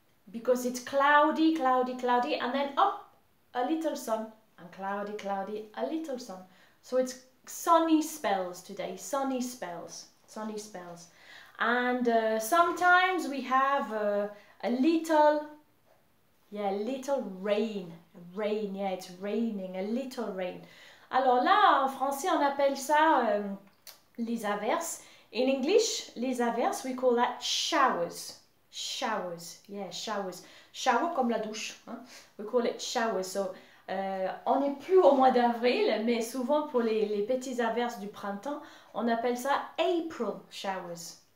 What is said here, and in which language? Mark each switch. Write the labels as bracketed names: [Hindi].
[English] Because it's cloudy, cloudy, cloudy, and then up, a little sun, and cloudy, cloudy, a little sun. So it's sunny spells today, sunny spells, sunny spells. And sometimes we have a little rain, yeah, it's raining, a little rain. [French] Alors là, en français, on appelle ça les averses. [English] In English, [French] les averses, [English] we call that showers. Showers, yeah, showers. Shower [French] comme la douche, hein? [English] We call it showers. [French] So, on n'est plus au mois d'avril, mais souvent pour les petites averses du printemps, on appelle ça April showers.